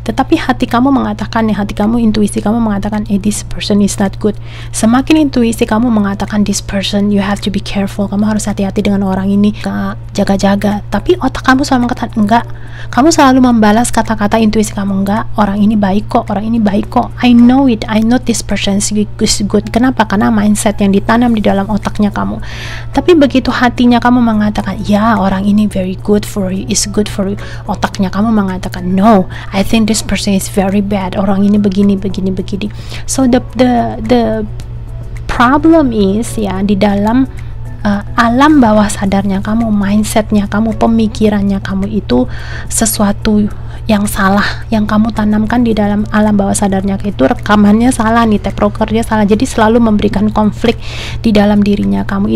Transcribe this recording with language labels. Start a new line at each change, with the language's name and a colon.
Indonesian: Tetapi hati kamu mengatakan, ya, hati kamu, intuisi kamu mengatakan,
English: this person is not good.
Indonesian: Semakin intuisi kamu mengatakan,
English: this person, you have to be careful,
Indonesian: kamu harus hati-hati dengan orang ini, jaga-jaga. Tapi otak kamu selalu mengatakan, enggak. Kamu selalu membalas kata-kata intuisi kamu, enggak, orang ini baik kok, orang ini baik kok.
English: I know it, I know this person is good.
Indonesian: Kenapa? Karena mindset yang ditanam di dalam otaknya kamu. Tapi begitu hatinya kamu mengatakan, ya, orang ini
English: very good for you, is good for you,
Indonesian: otaknya kamu mengatakan,
English: no, I think this person is very bad,
Indonesian: orang ini begini, begini, begini.
English: So the problem is,
Indonesian: ya, di dalam alam bawah sadarnya kamu, mindsetnya kamu, pemikirannya kamu itu sesuatu yang salah, yang kamu tanamkan di dalam alam bawah sadarnya itu rekamannya salah nih, tape recordnya salah, jadi selalu memberikan konflik di dalam dirinya kamu.